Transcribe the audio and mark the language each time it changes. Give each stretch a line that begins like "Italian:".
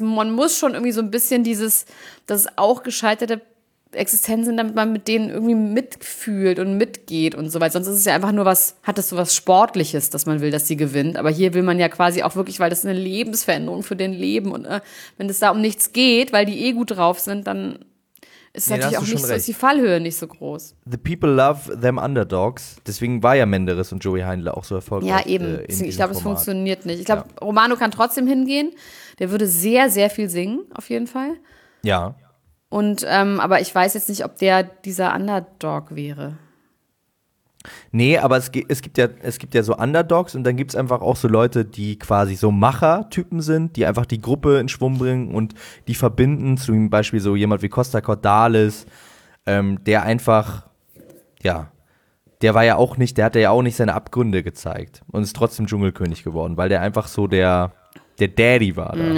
German: Man muss schon irgendwie so ein bisschen dieses, das ist auch gescheiterte Existenz sind, damit man mit denen irgendwie mitfühlt und mitgeht und so weiter. Sonst ist es ja einfach nur was, hat das so was Sportliches, dass man will, dass sie gewinnt. Aber hier will man ja quasi auch wirklich, weil das eine Lebensveränderung für den Leben und wenn es da um nichts geht, weil die eh gut drauf sind, dann ist es natürlich auch nicht so, ist die Fallhöhe nicht so groß.
English: The people love them underdogs.
German: Deswegen war ja Menderes und Joey Heindle auch so erfolgreich. Ja, eben. Ich glaube, es funktioniert nicht. Ich glaube, ja. Romano kann trotzdem hingehen. Der würde sehr, sehr viel singen, auf jeden Fall. Ja. Und aber ich weiß jetzt nicht, ob der dieser Underdog wäre. Nee, aber es gibt ja so Underdogs und dann gibt's einfach auch so Leute, die quasi so Macher-Typen sind, die einfach die Gruppe in Schwung bringen und die verbinden, zum Beispiel so jemand wie Costa Cordalis, der einfach, ja, der war ja auch nicht, der hatte ja auch nicht seine Abgründe gezeigt und ist trotzdem Dschungelkönig geworden, weil der einfach so der Daddy war da.